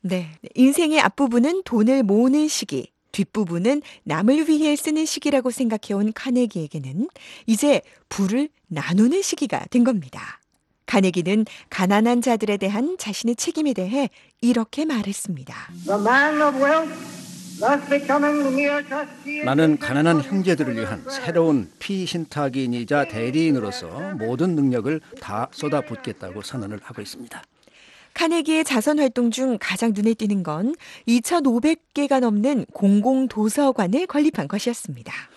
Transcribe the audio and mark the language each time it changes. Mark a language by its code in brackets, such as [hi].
[ko] 네, 인생의 앞부분은 돈을 모으는 시기, 뒷부분은 남을 위해 쓰는 시기라고 생각해온 카네기에게는 이제 부를 나누는 시기가 된 겁니다. 카네기는 가난한 자들에 대한 자신의 책임에 대해 이렇게 말했습니다. [en] The man of wealth must become a mere trustee. [ko] 나는 가난한 형제들을 위한 새로운 피신탁인이자 대리인으로서 모든 능력을 다 쏟아붓겠다고 선언을 하고 있습니다. 카네기의 자선활동 중 가장 눈에 띄는 건 2,500개가 넘는 공공도서관을 건립한 것이었습니다.